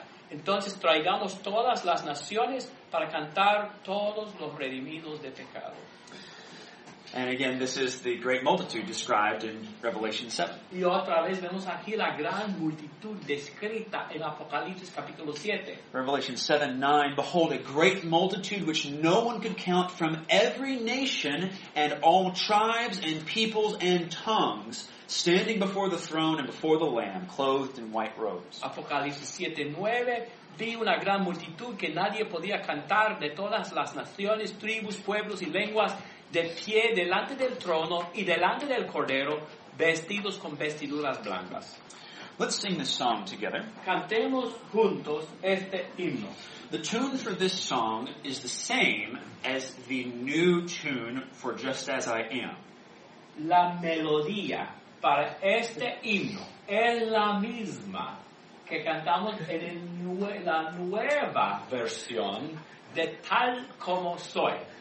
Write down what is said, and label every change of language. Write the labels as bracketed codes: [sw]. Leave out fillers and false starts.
[es] Entonces traigamos todas las naciones para cantar todos los redimidos de pecado. [en] And again, this is the great multitude described in Revelation 7. [es] Y otra vez vemos aquí la gran multitud descrita en Apocalipsis capítulo 7. [en] Revelation 7, 9, behold, a great multitude which no one could count from every nation and all tribes and peoples and tongues, standing before the throne and before the Lamb, clothed in white robes. [es] Apocalipsis 7, 9, vi una gran multitud que nadie podía cantar de todas las naciones, tribus, pueblos y lenguas, de pie delante del trono y delante del Cordero, vestidos con vestiduras blancas. [en] Let's sing this song together. [es] Cantemos juntos este himno. [en] The tune for this song is the same as the new tune for Just As I Am. [es] La melodía para este himno es la misma que cantamos en la nueva versión de Tal Como Soy.